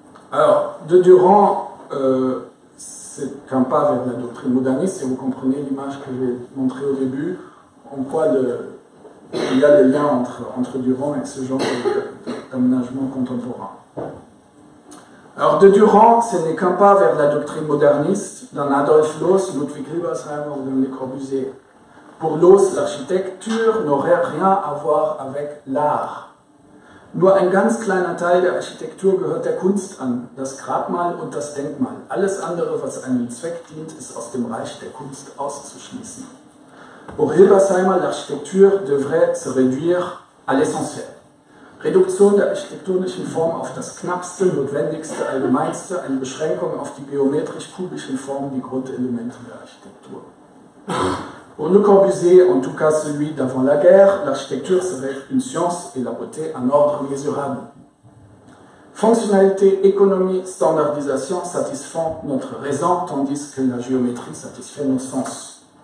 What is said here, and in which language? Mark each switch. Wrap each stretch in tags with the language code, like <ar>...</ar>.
<fr>Alors, de Durand, c'est un pas vers la doctrine moderniste, et vous comprenez l'image que j'ai montrée au début, en quoi il y a le lien entre Durand et ce genre d'aménagement contemporain. Alors, de Durand, ce n'est qu'un pas vers la doctrine moderniste d'un Adolf Loos, Ludwig Riebesheim ou d'un Le Corbusier. Pour Loos, l'architecture n'aurait rien à voir avec l'art.</fr> <de>Nur ein ganz kleiner Teil der Architektur gehört der Kunst an, das Grabmal und das Denkmal. Alles andere, was einem Zweck dient, ist aus dem Reich der Kunst auszuschließen.</de> <fr>Pour Hilbersheimer, l'architecture devrait se réduire à l'essentiel.</fr> <de>Réduction der architektonischen Form auf das knappste, notwendigste, allgemeinste, eine Beschränkung auf die geometrisch-kubischen Formen, die Grundelemente der Architektur.</de> <fr>Pour Le Corbusier, en tout cas celui d'avant la guerre, l'architecture serait une science et la beauté un ordre mesurable. Fonctionnalité, économie, standardisation satisfont notre raison, tandis que la géométrie satisfait nos sens.</fr>